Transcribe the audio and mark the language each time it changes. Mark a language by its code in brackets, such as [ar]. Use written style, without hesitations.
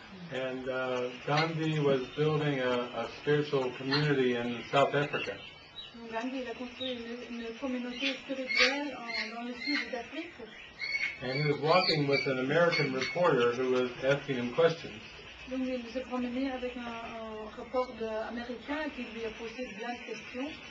[en] And Gandhi was building a spiritual community in South Africa. [fr] Gandhi a construit une communauté spirituelle dans le sud d'Afrique. [en] And he was walking with an American reporter who was asking him questions. [fr] Donc il se promenait avec un reporter américain qui lui a posé bien des questions.